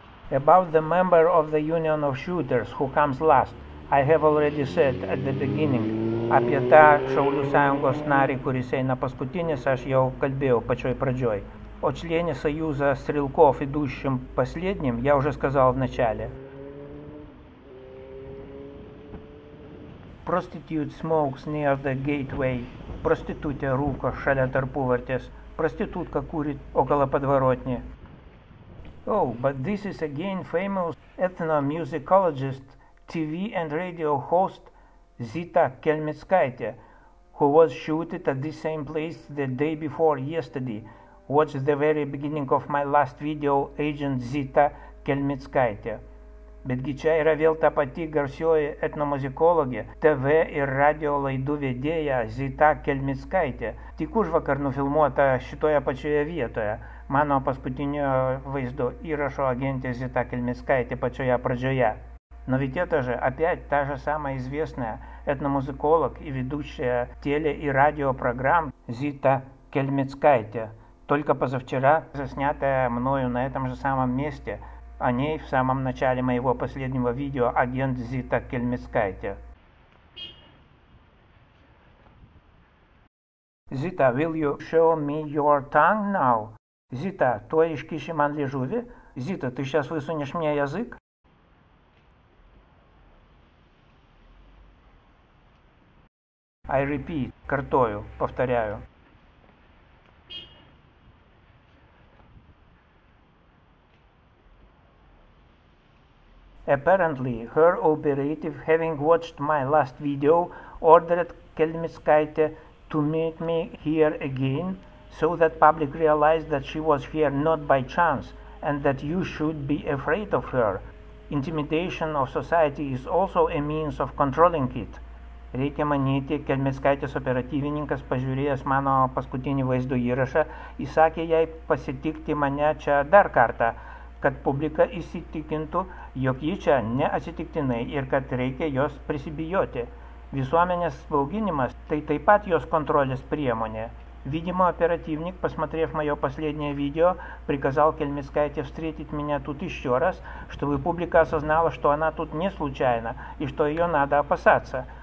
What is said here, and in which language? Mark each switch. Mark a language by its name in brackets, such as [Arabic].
[English] About the member of the union of shooters who comes last. I have already said at the beginning. [Lithuanian] Apie tą šaulių sąjungos narį, kuris eina paskutinis, aš jau kalbėjau pačioj pradžioj. [Russian] O члені союза стрелков, идущим последним, я уже сказал в начале. [English] Prostitute smokes near the gateway. [Lithuanian] Проститутя рука шаля тарпувартес. [Russian] Проститутка курит около подворотни. [English] Oh, but this is again famous ethnomusicologist, TV and radio host, Zita Kelmickaitė, who was shooted at the same place the day before yesterday. Watch the very beginning of my last video, Agent Zita Kelmickaitė. [Lithuanian] Betgi čia yra vėl ta pati garsioji etnomuzikologė, TV ir radio laidų vedėja Zita Kelmickaitė. Tik už vakar nufilmuota šitoje pačioje vietoje. Mano paskutinio vaizdo įrašo agentė Zita Kelmickaitė pačioje pradžioje. [Russian] Но ведь это же опять та же самая известная этномузыколог и ведущая теле- и радиопрограмм Зита Кельмицкайте, только позавчера заснятая мною на этом же самом месте, о ней в самом начале моего последнего видео агент Зита Кельмицкайте. [English] Зита, will you show me your tongue now? [Russian] Зита, [Lithuanian] тоишь кишиман лежуви? [Russian] Зита, ты сейчас высунешь мне язык? [English] I repeat, [Russian] картою, повторяю. [English] Apparently, her operative, having watched my last video, ordered Kelmickaitė to meet me here again, so that public realized that she was here not by chance, and that you should be afraid of her. Intimidation of society is also a means of controlling it. [Lithuanian] Reikia manyti, Kelmickaitės operatyvininkas, pažiūrėjęs mano paskutinį vaizdo įrašą, įsakė jai pasitikti mane čia dar kartą, kad publika įsitikintų, jog ji čia neatsitiktinai ir kad reikia jos prisibijoti. Visuomenės spauginimas – tai taip pat jos kontrolės priemonė. [Russian] Видимо, оперативник, посмотрев мое последнее видео, приказал Кельмискайте встретить меня тут еще раз, чтобы публика осознала, что она тут не случайно и что ее надо опасаться.